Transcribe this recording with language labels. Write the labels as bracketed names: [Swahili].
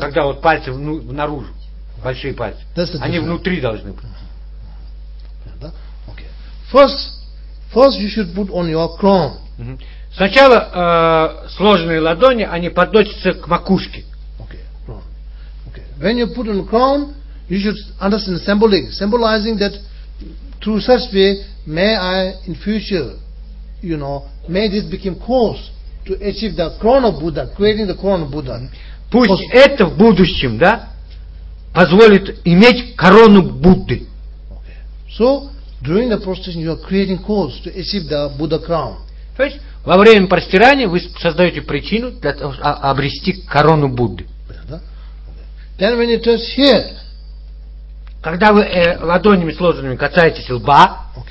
[Russian] Когда вот пальцы наружу, большие пальцы. Они внутри должны быть. [English] Okay. First you should put on your crown. [Russian] Сначала сложенные ладони, они подносятся к макушке. [English] Okay, crown. Okay. When you put on crown, you should understand symbolizing that through such way may I in future, you know, may this become course to achieve the crown of Buddha, creating the crown of Buddha. [Russian] Пусть course. Это в будущем, да, позволит иметь корону Будды. [English] Okay. So during the prostration you are creating course to achieve the Buddha crown. [Russian] То есть во время простирания вы создаете причину для того, чтобы обрести корону Будды. [English] Then when you touch here, [Russian] когда вы ладонями сложенными касаетесь лба,